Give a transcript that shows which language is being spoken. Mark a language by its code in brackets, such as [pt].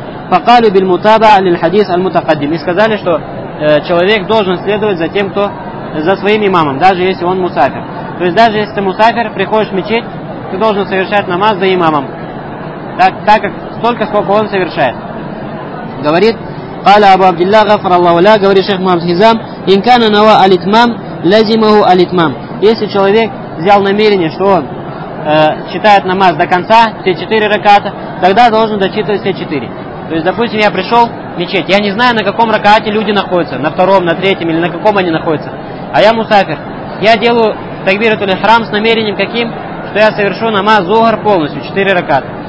[ar] «Факалю биль мутаба аль хадис аль мутакаддим». [ru] И сказали, что человек должен следовать за тем, кто за своим имамом, даже если он мусафир. То есть даже если ты мусафир, приходишь в мечеть, ты должен совершать намаз за имамом. Так как столько, сколько он совершает. Говорит, [ar] قال أبو عبد الله غفر الله له, [ru] говорит шейх Мухаммад Хизам, [ar] إن كان نوى الإتمام لازمه الإتمام. [ru] Если человек взял намерение, что он читает намаз до конца, все 4 раката, тогда должен дочитывать все 4. То есть, допустим, я пришел в мечеть, я не знаю, на каком ракате люди находятся, на втором, на третьем или на каком они находятся, а я мусафир. Я делаю такбиратуль ихрам с намерением каким, что я совершу намаз зухр полностью, 4 раката.